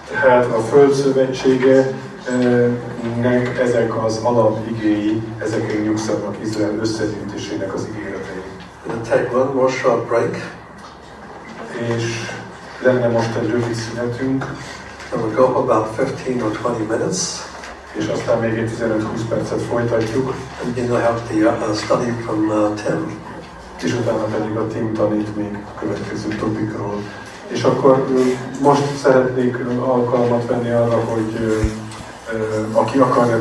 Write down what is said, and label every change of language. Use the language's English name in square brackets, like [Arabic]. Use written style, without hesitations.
[Hungarian] Tehát a Föld szövetségenek ezek az alapigéi, ezeken nyugszanak Izrael összegyűjtésének az ígéretei. [English] We'll take one more short break. [Hungarian] És lenne most egy rövid szünetünk. [English] We'll go about 15 or 20 minutes. [Hungarian] És aztán még egy 15-20 percet folytatjuk. [English] And then we'll have the study from Tim. [Hungarian] És utána pedig a Tim tanít még a következő topikról. És akkor most szeretnék alkalmat venni arra, hogy aki akarja,